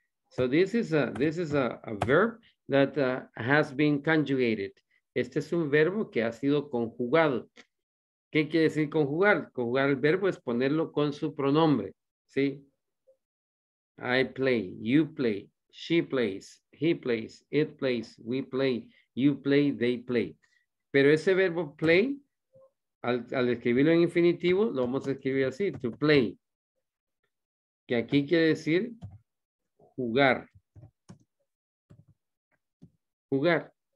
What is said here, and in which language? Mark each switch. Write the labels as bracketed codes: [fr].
[en] So this is a verb that has been conjugated. [es] Este es un verbo que ha sido conjugado. ¿Qué quiere decir conjugar? Conjugar el verbo es ponerlo con su pronombre. ¿Sí? [en] I play, you play, she plays, he plays, it plays, we play, you play, they play. [es] Pero ese verbo play, al escribirlo en infinitivo, lo vamos a escribir así, to play. Que aquí quiere decir jugar. Jugar.